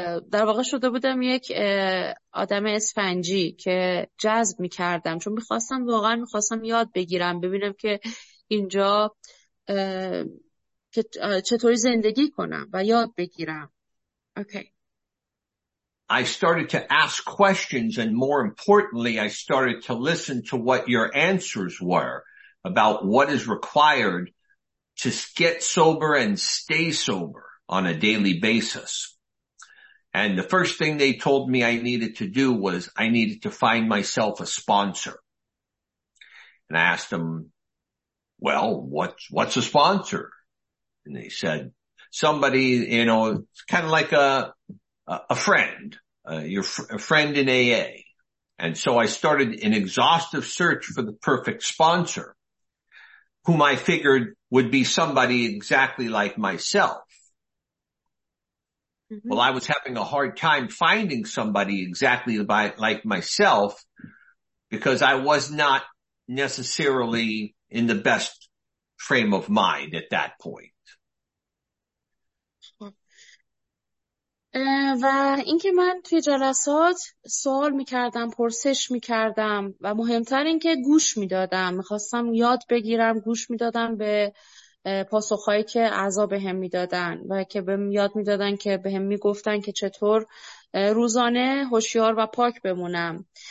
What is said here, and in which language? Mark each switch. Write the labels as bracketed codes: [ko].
[fa] در واقع شده بودم یک آدم اسفنجی که جذب می کردم، چون می خواستم یاد بگیرم، ببینم که اینجا که چطوری زندگی کنم و یاد بگیرم. [en] Okay. I started to ask questions and more importantly I started to listen to what your answers were about what is required to get sober and stay sober on a daily basis. And the first thing they told me I needed to do was I needed to find myself a sponsor. And I asked them, well, what's a sponsor? And they said, somebody, you know, it's kind of like a friend in AA. And so I started an exhaustive search for the perfect sponsor, whom I figured would be somebody exactly like myself. Well, I was having a hard time finding somebody exactly like myself because I was not necessarily in the best frame of mind at that point. [fa] و اینکه من توی جلسات سوال می‌کردم، پرسش می‌کردم و مهمتر اینکه گوش می‌دادم، می‌خواستم یاد بگیرم، گوش می‌دادم به پاسخهایی که اعضا به هم میدادن و که به هم یاد میدادن، که به هم میگفتن که چطور روزانه هوشیار و پاک بمونم.